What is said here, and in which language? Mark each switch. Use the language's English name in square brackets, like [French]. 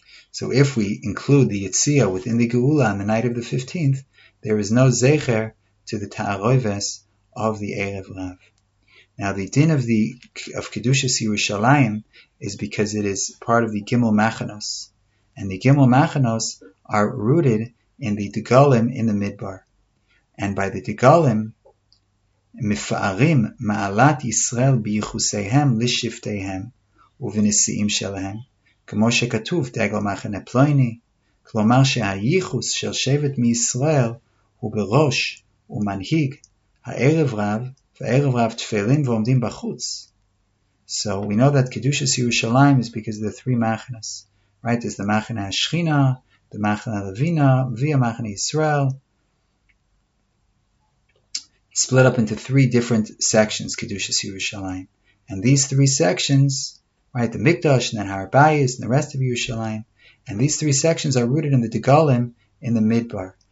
[English] So if we include the Yetziyah within the Geula on the night of the 15th, there is no Zecher to the Ta'aroives of the Erev Rav. Now the din of Kedushas Yerushalayim is because it is part of the Gimel Machanos. And the Gimel Machanos are rooted in the Degalim in the Midbar. And by the Degalim, [Hebrew] מפארים מעלת ישראל ביחוסיהם לשבטיהם ובנשיאים שלהם, כמו שכתוב דגל מחנה פלויני, כלומר שהייחוס של שבט מישראל הוא בראש ומנהיג הערב רב, וערב רב תפילים ועומדים בחוץ. [English] So we know that Kedushas Yerushalayim is because of the three machanas, right? There's the machana Hashchina, the machana Levina, via machana Yisrael. It's split up into three different sections, Kedushas Yerushalayim. And these three sections, right, the Mikdash, and then Har Bayis, and the rest of Yerushalayim, and these three sections are rooted in the Degalim in the Midbar.